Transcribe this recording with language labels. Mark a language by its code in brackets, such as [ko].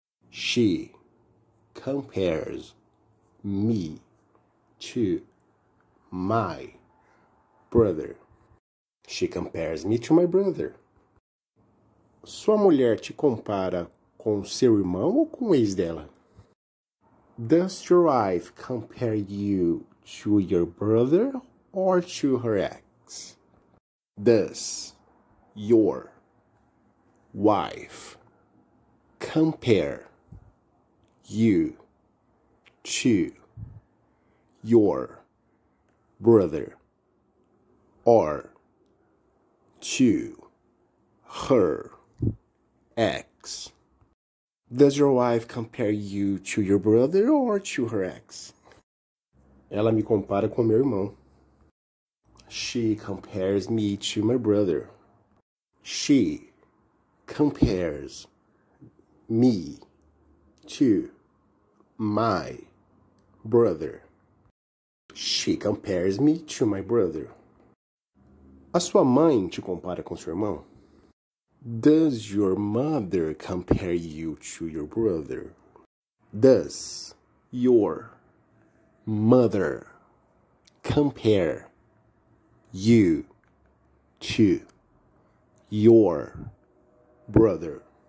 [en] She compares me to my brother. She compares me to my brother. [pt] Sua mulher te compara com seu irmão ou com o ex dela? [en] Does your wife compare you to your brother or to her ex? Does your wife compare you to your brother or to her ex? Does your wife compare you to your brother or to her ex? [pt] Ela me compara com meu irmão. [en] She compares me to my brother. She compares me to my brother. She compares me to my brother. [pt] A sua mãe te compara com seu irmão? [en] Does your mother compare you to your brother? Does your mother compare you to your brother?